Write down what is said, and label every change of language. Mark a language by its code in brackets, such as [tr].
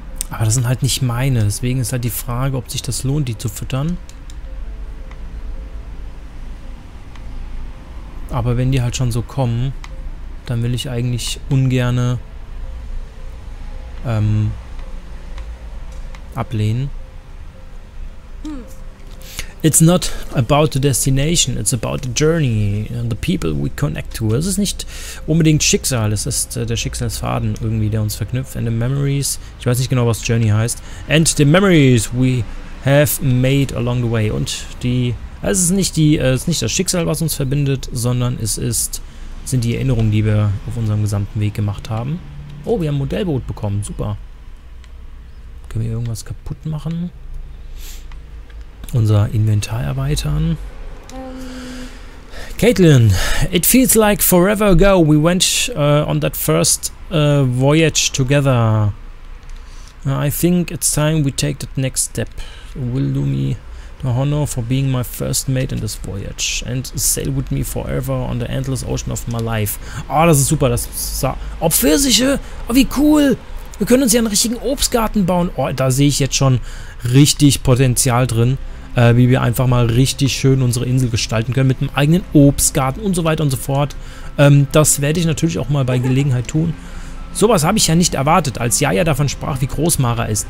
[de] Aber das sind halt nicht meine. Deswegen ist halt die Frage, ob sich das lohnt, die zu füttern. Aber wenn die halt schon so kommen, dann will ich eigentlich ungerne ablehnen. [en] It's not about the destination, it's about the journey and the people we connect to. [de] Es ist nicht unbedingt Schicksal, es ist der Schicksalsfaden irgendwie, der uns verknüpft. [en] And the memories, [de] ich weiß nicht genau, was Journey heißt. [en] And the memories we have made along the way. [de] Und die, also es ist nicht das Schicksal, was uns verbindet, sondern sind die Erinnerungen, die wir auf unserem gesamten Weg gemacht haben. Oh, wir haben ein Modellboot bekommen, super. Können wir irgendwas kaputt machen? Unser Inventar erweitern. [en] Caitlin, it feels like forever ago we went on that first voyage together. I think it's time we take that next step. Will do me the honor for being my first mate in this voyage and sail with me forever on the endless ocean of my life. [de] Ah, oh, das ist super. Das ist ob Pfirsiche. Oh, wie cool. Wir können uns ja einen richtigen Obstgarten bauen. Oh, da sehe ich jetzt schon richtig Potenzial drin. wie wir einfach mal richtig schön unsere Insel gestalten können mit einem eigenen Obstgarten und so weiter und so fort. Das werde ich natürlich auch mal bei Gelegenheit tun. Sowas habe ich ja nicht erwartet, als Yaya davon sprach, wie groß Mara ist.